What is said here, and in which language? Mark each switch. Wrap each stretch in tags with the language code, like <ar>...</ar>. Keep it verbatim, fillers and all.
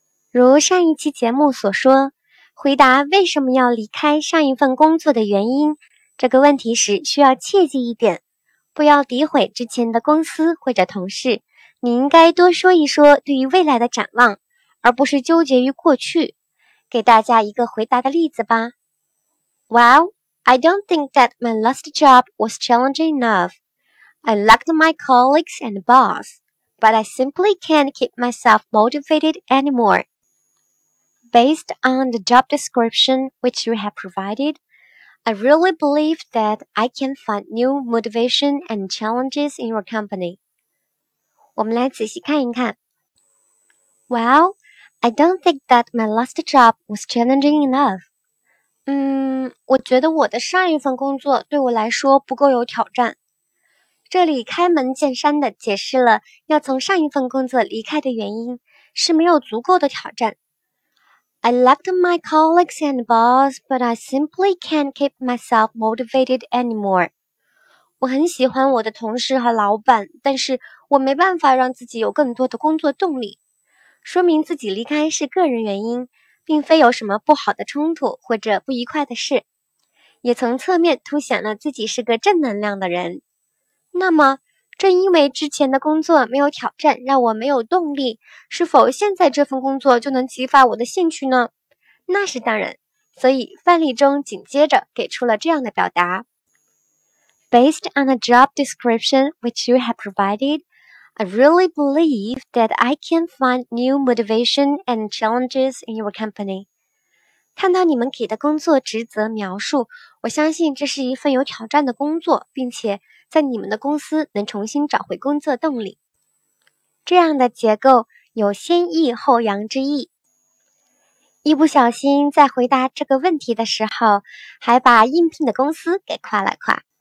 <zh>如上一期节目所说，回答为什么要离开上一份工作的原因这个问题时，需要切记一点，不要诋毁之前的公司或者同事，你应该多说一说对于未来的展望，而不是纠结于过去。给大家一个回答的例子吧。</zh> <en>Well, I don't think that my last job was challenging enough. I liked my colleagues and boss, but I simply can't keep myself motivated anymore. Based on the job description which you have provided, I really believe that I can find new motivation and challenges in your company.</en> <zh>我们来仔细看一看。</zh> <en>Well, I don't think that my last job was challenging enough.</en> <zh>嗯，我觉得我的上一份工作对我来说不够有挑战。这里开门见山地解释了要从上一份工作离开的原因是没有足够的挑战。</zh> <en>I liked my colleagues and boss, but I simply can't keep myself motivated anymore.</en> <zh>我很喜欢我的同事和老板，但是我没办法让自己有更多的工作动力。说明自己离开是个人原因，并非有什么不好的冲突或者不愉快的事，也从侧面凸显了自己是个正能量的人。那么，正因为之前的工作没有挑战，让我没有动力，是否现在这份工作就能激发我的兴趣呢？那是当然。所以范例中紧接着给出了这样的表达：</zh> <en>Based on the job description which you have provided, I really believe that I can find new motivation and challenges in your company.</en> <zh>看到你们给的工作职责描述，我相信这是一份有挑战的工作，并且在你们的公司能重新找回工作动力。这样的结构有先抑后扬之意。一不小心在回答这个问题的时候，还把应聘的公司给夸了夸。</zh>